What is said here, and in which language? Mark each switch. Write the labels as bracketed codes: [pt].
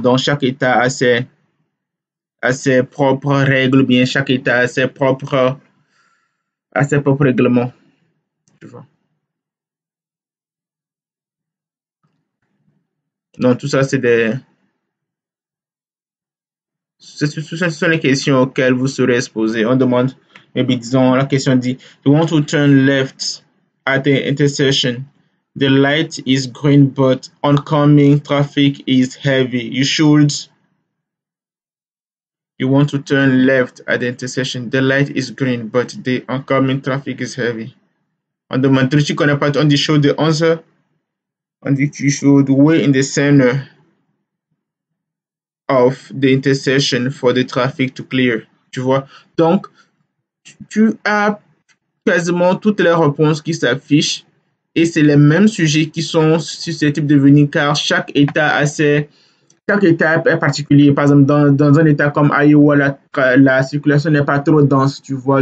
[fr] Donc, chaque état a ses propres règles, bien, chaque état a ses propres à ses propres règlements. Tu vois. Donc, tout ça, c'est des. Ce sont les questions auxquelles vous serez exposé. On demande, [en] maybe, [fr] disons, la question dit: [en] Do you want to turn left at the intersection? The light is green, but oncoming traffic is heavy. You want to turn left at the intersection. The light is green, but the oncoming traffic is heavy. [fr] On demande, tu connais pas, on dit [en] show the answer. [fr] On dit, tu [en] show the way in the center of the intersection for the traffic to clear. [fr] Tu vois? Donc, tu as quasiment toutes les réponses qui s'affichent et c'est les mêmes sujets qui sont susceptibles de venir car chaque état a ses. Chaque état est particulier. Par exemple, dans un état comme Iowa, la circulation n'est pas trop dense, tu vois.